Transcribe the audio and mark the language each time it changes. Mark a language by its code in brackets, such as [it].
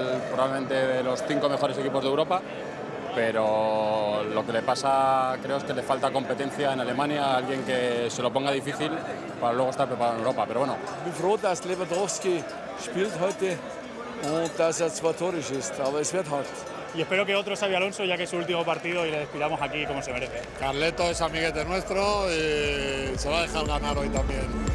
[es] Probablemente de los cinco mejores equipos de Europa, pero lo que le pasa, creo, es que le falta competencia en Alemania, alguien que se lo ponga difícil para luego estar preparado en Europa. Pero bueno. [de] Bin froh, dass Lewandowski spielt heute und dass zwei Tore schießt, aber es wird hart. [es] Y espero que otro Xabi Alonso, ya que es su último partido, y le despidamos aquí como se merece. Carleto es amiguete nuestro y se va a dejar ganar hoy también.